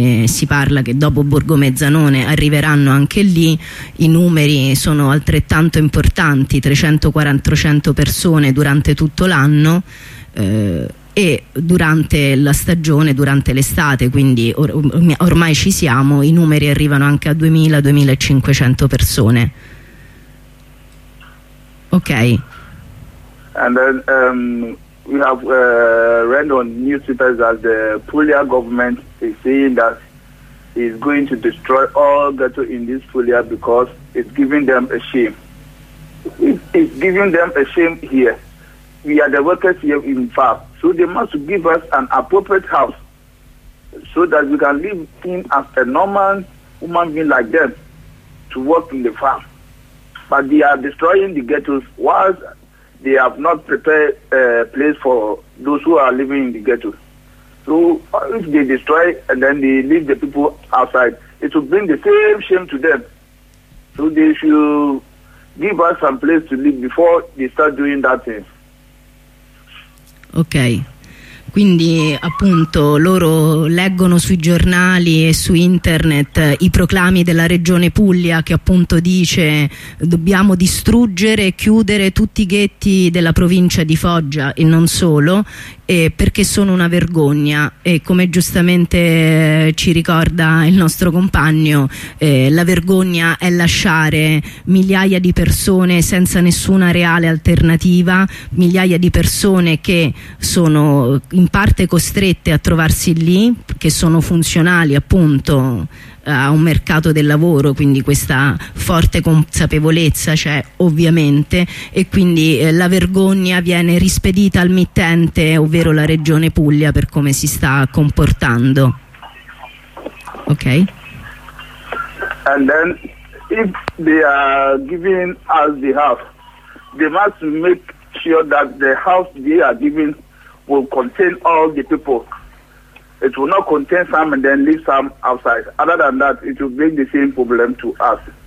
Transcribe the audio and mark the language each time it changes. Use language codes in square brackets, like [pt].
[it] si parla che dopo Borgo Mezzanone arriveranno anche lì, i numeri sono altrettanto importanti, 300-400 persone durante tutto l'anno, e durante la stagione, durante l'estate, quindi ormai ci siamo, i numeri arrivano anche a 2.000-2.500 persone. Ok. [en] And then we have read on newspapers that the Puglia government is saying that it's going to destroy all ghetto in this Puglia because it's giving them a shame. It's giving them a shame here. We are the workers here in FAB, so they must give us an appropriate house so that we can live in as a normal human being like them to work in the farm. But they are destroying the ghettos whilst they have not prepared a place for those who are living in the ghettos. So if they destroy and then they leave the people outside, it will bring the same shame to them. So they should give us some place to live before they start doing that thing. [it] Ok, quindi appunto loro leggono sui giornali e su internet i proclami della regione Puglia, che appunto dice dobbiamo distruggere e chiudere tutti i ghetti della provincia di Foggia e non solo, perché sono una vergogna, e come giustamente ci ricorda il nostro compagno, la vergogna è lasciare migliaia di persone senza nessuna reale alternativa, migliaia di persone che sono in parte costrette a trovarsi lì, che sono funzionali appunto a un mercato del lavoro, quindi questa forte consapevolezza c'è ovviamente, e quindi la vergogna viene rispedita al mittente, ovvero la regione Puglia, per come si sta comportando. Ok? [en] And then if they are giving us the house, they must make sure that the house they are giving will contain all the people. It will not contain some and then leave some outside. Other than that, it will bring the same problem to us.